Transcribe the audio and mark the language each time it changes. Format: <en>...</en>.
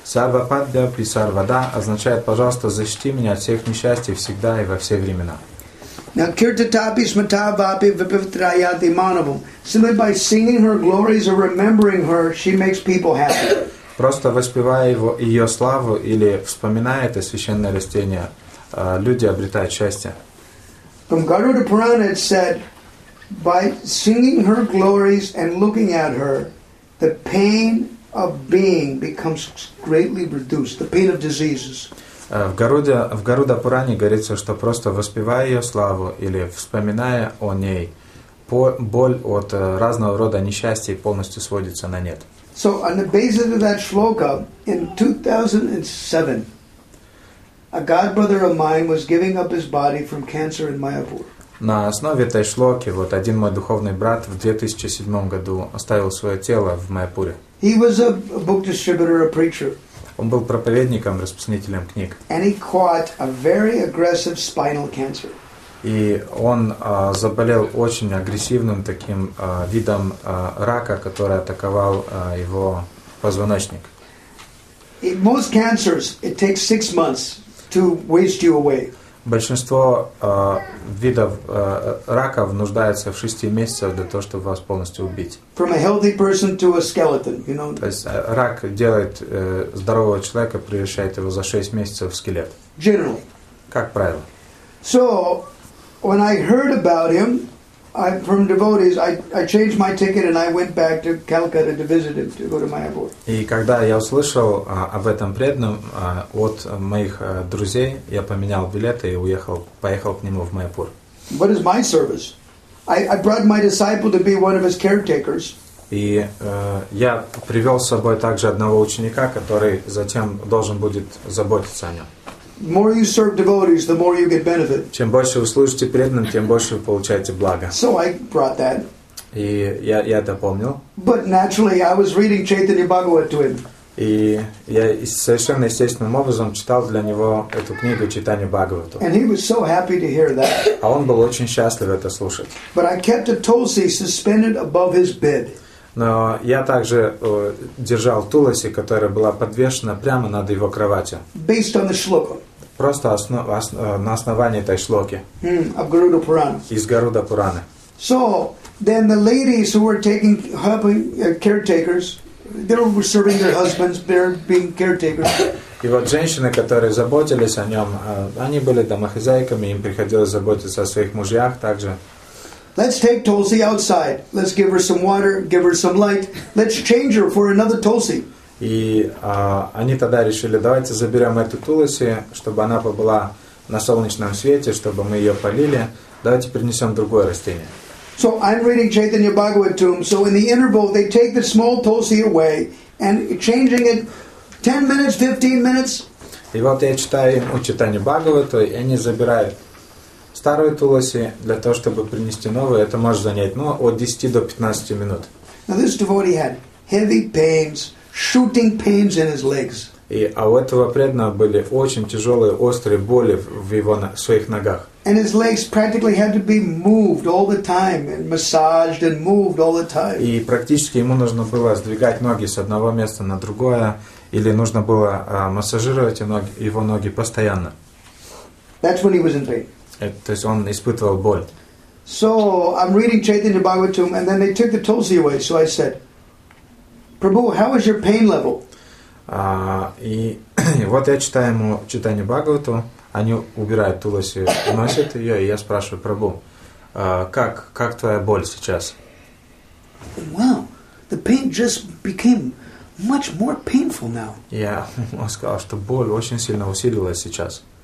<sa>Сарвападья и сарвада</sa> <ru>означает, пожалуйста, защити меня от всех несчастий всегда и во все времена.</ru> <sa>Now kirtatapi smatavapi vipitrayati manavam.</sa> <en>Simply by singing her glories or remembering her, she makes people happy.</en> <ru>Просто воспевая его, ее славу или вспоминая это священное растение, люди обретают счастье.</ru> <en>From Garuda Purana it said, by singing her glories and looking at her, the pain of being becomes greatly reduced, the pain of diseases.</en> <ru>В Гаруда Пуране говорится, что просто воспевая ее славу или вспоминая о ней, боль от разного рода несчастий полностью сводится на нет.</ru> <en>So on the basis of that shloka, in 2007, a god brother of mine was giving up his body from cancer in Mayapur.</en> <ru>На основе этой шлоки вот один мой духовный брат в 2007 году оставил свое тело в Майяпуре.</ru> <en>He was a book distributor, a preacher.</en> <ru>Он был проповедником, распространителем книг.</ru> <en>And he caught a very aggressive spinal cancer.</en> <ru>И он заболел очень агрессивным таким видом рака, который атаковал его позвоночник.</ru> <en>Most cancers, it takes 6 months to waste you away.</en> <ru>Большинство видов раков нуждаются в 6 месяцев для того, чтобы вас полностью убить.</ru> <en>From a healthy person to a skeleton, you know.</en> <ru>То есть рак делает здорового человека, превращает его за 6 месяцев в скелет.</ru> <en>Generally.</en> <ru>Как правило.</ru> <en>So, when I heard about him, I, from devotees, I changed my ticket and I went back to Calcutta to visit him, to go to Mayapur.</en> <ru>И когда я услышал об этом преданном от моих друзей, я поменял билеты и поехал к нему в Майяпур.</ru> <en>What is my service? I brought my disciple to be one of his caretakers.</en> <ru>И я привел с собой также одного ученика, который затем должен будет заботиться о нем.</ru> <en>The more you serve devotees, the more you get benefit.</en> <ru>Чем больше вы служите преданным, тем больше вы получаете благо.</ru> <en>So I brought that.</en> <ru>И я это помнил.</ru> <en>But naturally, I was reading Chaitanya Bhagavat to him.</en> <ru>И я совершенно естественным образом читал для него эту книгу Чайтанья Бхагавату.</ru> <en>And he was so happy to hear that.</en> <ru>А он был очень счастлив это слушать.</ru> <en>But I kept a tulsi suspended above his bed.</en> <ru>Но я также держал туласи, которая была подвешена прямо над его кроватью.</ru> <en>Based on the shloka.</en> <ru>Просто на основании этой шлоки.</ru> <en>Of Garuda Purana.</en> <ru>Из Гаруда Пураны.</ru> <en>So then the ladies who were taking helping caretakers, they were serving their husbands, they're being caretakers.</en> <ru>И вот женщины, которые заботились о нем, они были домохозяйками, им приходилось заботиться о своих мужьях также.</ru> <en>Let's take Tulsi outside. Let's give her some water, give her some light. Let's change her for another Tulsi.</en> <ru>И они тогда решили, давайте заберем эту Тулси, чтобы она побыла на солнечном свете, чтобы мы ее полили. Давайте принесем другое растение.</ru> <en>So I'm reading Chaitanya Bhagavat to him. So in the interval, they take the small Tulsi away and changing it 10 minutes, 15 minutes.</en> <ru>И вот я читаю ему Чайтанью Бхагавату, и они забирают старые туласи для того, чтобы принести новые, это может занять, ну, от 10 до 15 минут.</ru> <en>Now this devotee had heavy pains, shooting pains in his legs.</en> <ru>А у этого преданного были очень тяжелые, острые боли в его своих ногах.</ru> <en>And his legs practically had to be moved all the time and massaged and moved all the time.</en> <ru>И практически ему нужно было сдвигать ноги с одного места на другое, или нужно было массажировать его ноги постоянно.</ru> <en>That's when he was in pain.</en> <ru>То есть он испытывал боль.</ru> <en>So I'm reading Chaitanya Bhagavat to him, and then they took the tulsi away. So I said, Prabhu, how is your pain level?</en> <ru>И вот я читаю ему Чайтанью Бхагавату, они убирают тулоси, уносят ее, и я спрашиваю, Прабу, как твоя боль сейчас?</ru> <en>Wow, the pain just became much more painful now.</en> <ru>Yeah, он сказал, что боль очень сильно усилилась сейчас.</ru>